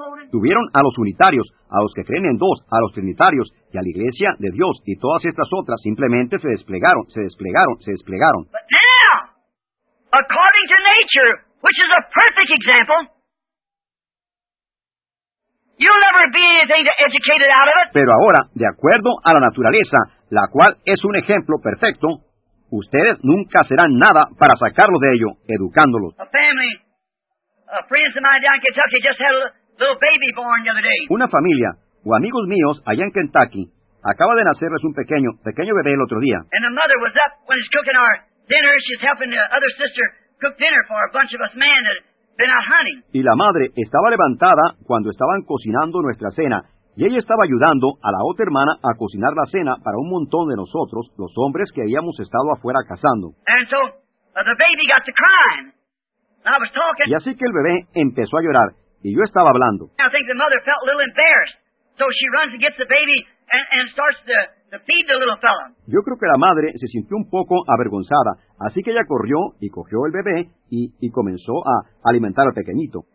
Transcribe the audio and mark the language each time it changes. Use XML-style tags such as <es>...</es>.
<es>Tuvieron a los unitarios, a los que creen en dos, a los trinitarios, y a la iglesia de Dios, y todas estas otras simplemente se desplegaron.</es> <en>Now, according to nature, which is a perfect example, you'll never be anything educated out of it.</en> <es>Pero ahora, de acuerdo a la naturaleza, la cual es un ejemplo perfecto, ustedes nunca serán nada para sacarlo de ello, educándolos.</es> <en>A family, a friends of mine down in Kentucky just had a little baby born the other day.</en> <es>Una familia o amigos míos allá en Kentucky acaba de nacerles un pequeño bebé el otro día.</es> <en>And the mother was up when she's cooking our dinner. She's helping the other sister cook dinner for a bunch of us men that have been out hunting.</en> <es>Y la madre estaba levantada cuando estaban cocinando nuestra cena. Y ella estaba ayudando a la otra hermana a cocinar la cena para un montón de nosotros, los hombres que habíamos estado afuera cazando.</es> <en>And so, the baby got to crying. I was talking.</en> <es>Y así que el bebé empezó a llorar, y yo estaba hablando.</es> <en>I think the mother felt a little embarrassed, so she runs and gets the baby and starts to feed the little fella.</en> <es>Yo creo que la madre se sintió un poco avergonzada, así que ella corrió y cogió el bebé y comenzó a alimentar al pequeñito.</es>